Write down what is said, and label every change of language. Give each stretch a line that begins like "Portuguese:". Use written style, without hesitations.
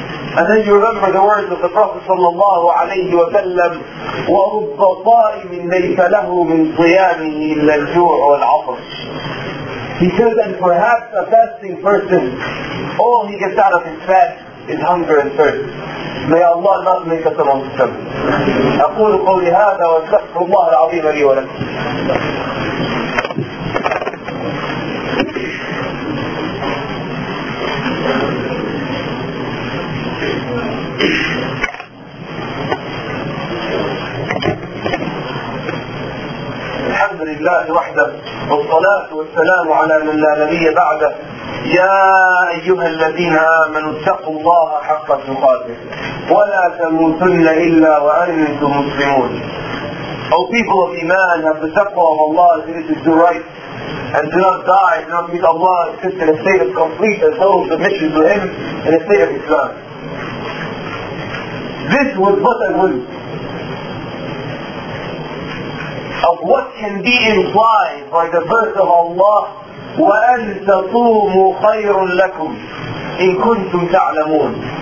English: And then you remember the words of the Prophet sallallahu alayhi wa sallam,
Arabic: وَرُبَّ صَائِمٍ لَيْسَ لَهُ مِنْ صِيَامِهِ إِلَّا الْجُوعُ وَالْعَطَشُ.
English: He said that perhaps a fasting person, all he gets out of his fast is hunger and thirst. May Allah not make us among them.
Arabic: أقول قولي هذا وأستغفر الله العظيم لي ولكم. الحمد لله وحده والصلاة والسلام على من لا نبي بعده. يا أيها الذين آمنوا اتقوا الله حق تقاته ولا تموتن إلا وأنتم مسلمون.
English: O people of Iman, have the taqwa of Allah as it is to do right, and do not die, do not meet Allah except in a state of complete and total submission to Him in a state of Islam. This was but a glimpse of what can be implied by the verse of Allah,
Arabic: وَأَن تَصُومُوا خَيْرٌ لَكُمْ إِن كُنْتُمْ تَعْلَمُونَ.